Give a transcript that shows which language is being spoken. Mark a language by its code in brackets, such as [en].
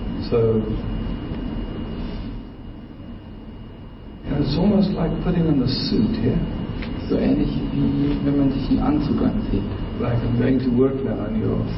[en] So, it's almost like putting on a suit here. [de] So ähnlich wie wenn man sich einen Anzug anzieht. [en] Like I'm going to work now on your.